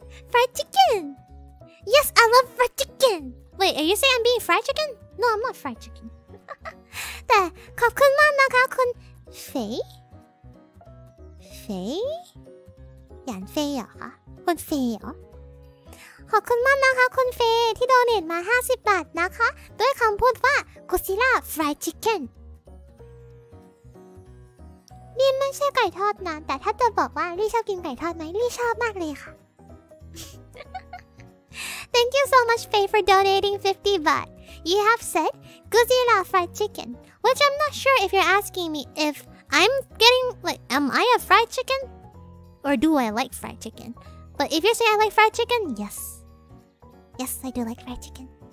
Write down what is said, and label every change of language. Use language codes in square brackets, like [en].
[en] Fried chicken! Yes, I love fried chicken! Wait, are you saying I'm being fried chicken? No, I'm not fried chicken. [th] But, ขอบคุณมาก นะคะ คุณ Fei? Fei? Yan Fei เหรอคะ คุณ Fei เหรอ ขอบคุณมาก นะคะ คุณ Fei ที่ donate มา 50 บาท นะคะ ด้วยคำพูดว่า Godzilla Fried Chicken ลี่ไม่ใช่ไก่ทอดนะ แต่ถ้าจะบอกว่า ลี่ชอบกินไก่ทอดไหม ลี่ชอบมากเลยค่ะ [en] Thank you so much, Faye, for donating 50 baht. You have said Godzilla fried chicken, which I'm not sure if you're asking me if I'm getting, like, am I a fried chicken? Or do I like fried chicken? But if you're saying I like fried chicken, yes. Yes, I do like fried chicken.